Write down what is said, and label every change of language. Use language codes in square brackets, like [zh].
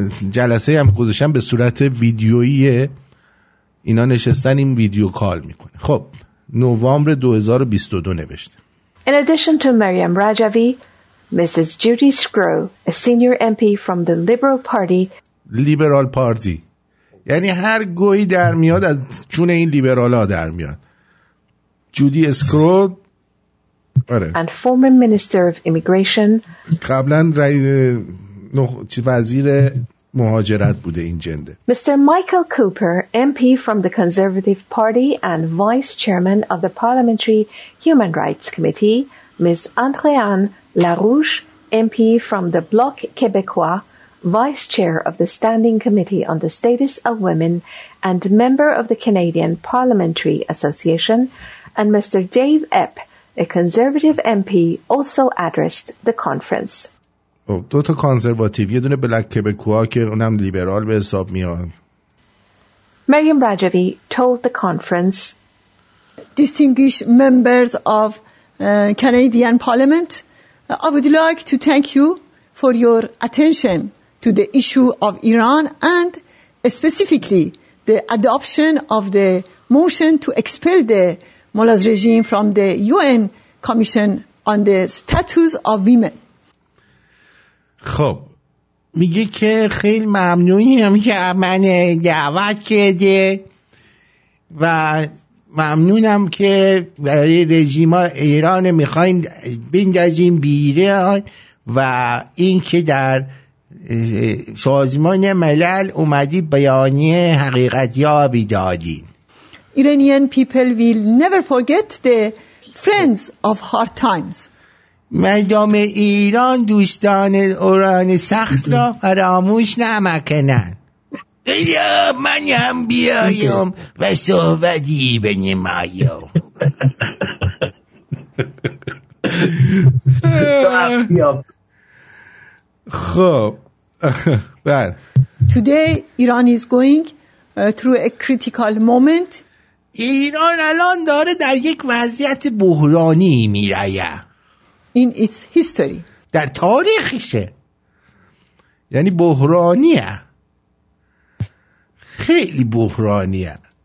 [fa] جلسه هم گذاشتن به صورت ویدیوییه اینا نشستن این ویدیو کال میکنه خب نوامبر 2022 نوشته [en] In addition to Maryam Rajavi Mrs. Judy Scrow a senior MP from the Liberal Party [fa] لیبرال پارتی یعنی هر گویی در میاد از چون این لیبرال ها در میاد جودی اسکرو آره [en] And former minister of immigration [fa] قبلن وزیر مهاجرت بوده این جنده. [en] Mr. Michael Cooper, MP from the Conservative Party and Vice Chairman of the Parliamentary Human Rights Committee, Ms. Andréanne Larouche, MP from the Bloc Québécois, Vice Chair of the Standing Committee on the Status of Women and Member of the Canadian Parliamentary Association, and Mr. Dave Epp, a Conservative MP, also addressed the conference. [fa] دو تا کانزرواتیو یه دونه بلک کبکوها که اونم لیبرال به حساب میان [en] Maryam Rajavi told the conference Distinguished members of Canadian Parliament I would like to thank you for your attention to the issue of Iran and specifically the adoption of the motion to expel the Mullah's regime from the UN Commission on the Status of Women [fa] خب میگه که خیلی ممنونیم که من دعوت کرده و ممنونم که برای رژیم ایران میخواین بیندازیم بیرون و این که در سازمان ملل اومدی بیانیه حقیقت یابی دادین [en] Iranian people will never forget the friends of hard times [fa] مردم ایران دوستان اوران سخت را فراموش نمکنن بیا من هم بیایم و صحبتی به نمایم خب بله [en] Today Iran is going through a critical moment [fa] ایران الان داره در یک وضعیت بحرانی میره [en] In its history. [fa] در تاریخشه. یعنی بحرانیه، خیلی بحرانیه.